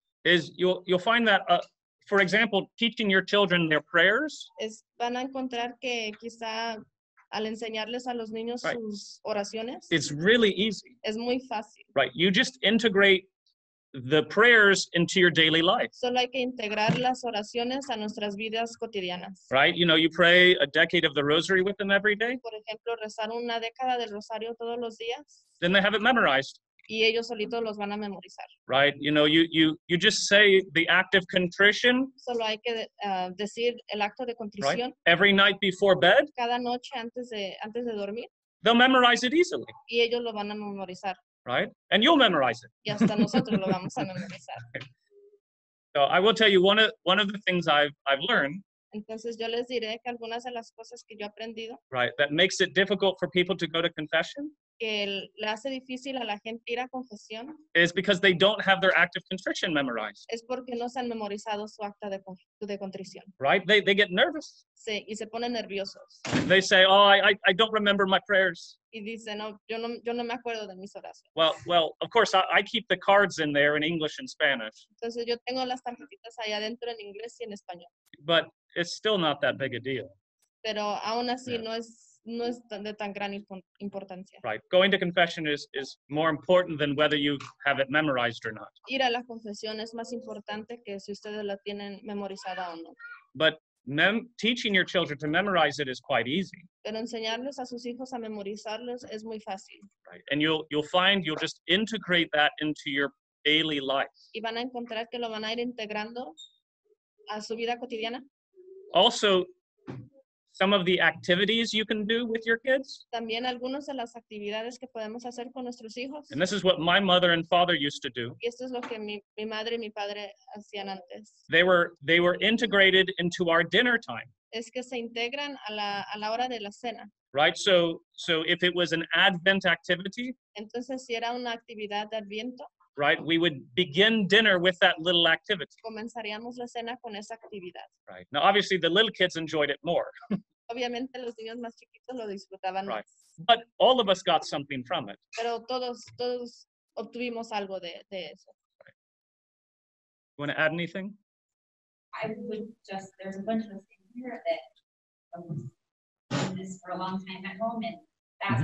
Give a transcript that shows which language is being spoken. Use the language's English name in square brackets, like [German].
[English] Is you'll find that, for example, teaching your children their prayers. [Spanish] Es van a encontrar que quizá al enseñarles a los niños [English] right. [Spanish] sus oraciones. [English] It's really easy. [Spanish] Es muy fácil. [English] Right. You just integrate the prayers into your daily life. [Spanish] Solo hay que integrar las oraciones a nuestras vidas cotidianas. [English] Right. You know, you pray a decade of the rosary with them every day. [Spanish] Por ejemplo, rezar una década del rosario todos los días. [English] Then they have it memorized. [Spanish] Y ellos solitos los van a memorizar. [English] Right. You know, you just say the act of contrition. [Spanish] Solo hay que decir el acto de contrición. [English] Right? Every night before bed. [Spanish] Cada noche antes de dormir. [English] They'll memorize it easily. [Spanish] Y ellos lo van a memorizar. [English] Right? And you'll memorize it. [Spanish] Y hasta nosotros lo vamos a memorizar. [English] So I will tell you one of the things I've learned. [Spanish] Entonces yo les diré que algunas de las cosas que yo he aprendido. [English] Right, that makes it difficult for people to go to confession. [Spanish] Que le hace difícil a la gente ir a confesión. [English] Is because they don't have their act of contrition memorized. [Spanish] Es porque no se han memorizado su acta de contrición. [English] Right, they get nervous. [Spanish] Sí, y se ponen nerviosos. [English] They say, oh, I don't remember my prayers. [Spanish] Y dicen, no, yo no me acuerdo de mis oraciones. [English] Well, of course, I keep the cards in there in English and Spanish. [Spanish] Entonces yo tengo las tarjetitas allá adentro en inglés y en español. [English] But it's still not that big a deal. [Spanish] Pero aún así [English] yeah. [Spanish] no es de tan gran importancia. [English] Right. Going to confession is more important than whether you have it memorized or not. [Spanish] Ir a la confesión es más importante que si ustedes la tienen memorizada o no. [English] But teaching your children to memorize it is quite easy. [Spanish] Pero enseñarles a sus hijos a memorizarlos es muy fácil. [English] Right. And you'll find you'll just integrate that into your daily life. [Spanish] Y van a encontrar que lo van a ir integrando a su vida cotidiana. [English] Also, some of the activities you can do with your kids. [Spanish] También algunas de las actividades que podemos hacer con nuestros hijos. [English] And this is what my mother and father used to do. [Spanish] Y esto es lo que mi madre y mi padre hacían antes. [English] They were integrated into our dinner time. [Spanish] Es que se integran a la hora de la cena. [English] Right, so if it was an Advent activity. [Spanish] Entonces si era una actividad de Adviento. [English] Right, we would begin dinner with that little activity. [Spanish] Comenzaríamos la cena con esa actividad. [English] Right. Now, obviously, the little kids enjoyed it more. [Spanish] Obviamente, los niños más chiquitos lo disfrutaban más. [English] Right. But all of us got something from it. [Spanish] Pero todos obtuvimos algo de eso. [English] Right. You want to add anything? I would just, there's a bunch of things here that I've been doing this for a long time at home, and that's mm-hmm.